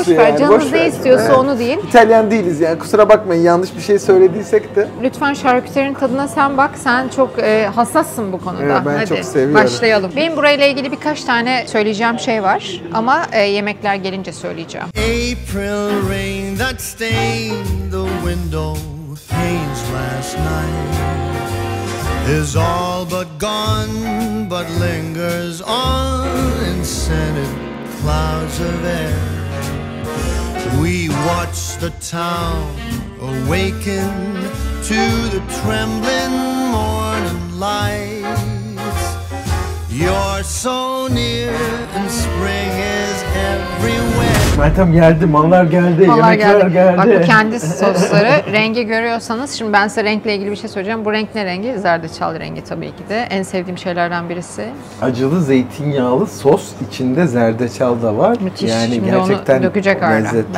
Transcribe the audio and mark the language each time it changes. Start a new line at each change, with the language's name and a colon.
Turkish: boş ver. Yani. Canınız ne istiyorsa evet, onu deyin. İtalyan değiliz yani. Kusura bakmayın, yanlış bir şey söylediysek de. Lütfen şarküterinin tadına sen bak. Sen çok hassassın bu konuda. Evet, ben hadi çok seviyorum. Başlayalım. Benim burayla ilgili birkaç tane söyleyeceğim şey var. Ama yemekler gelince söyleyeceğim.
English: April rain that stained the window panes last night is all but gone, but lingers on in scented clouds of air. We watch. watch the town awaken to the trembling morning light. You're so near and spring is everywhere.
Turkish: Meltem geldi, mallar geldi, mallar yemekler geldi. Bak bu kendi sosları. Rengi görüyorsanız, şimdi ben size renkle ilgili bir şey soracağım. Bu renk ne rengi? Zerdeçal rengi tabii ki de. En sevdiğim şeylerden birisi. Acılı zeytinyağlı sos, içinde zerdeçal da var. Müthiş. Yani şimdi gerçekten dökecek lezzetli.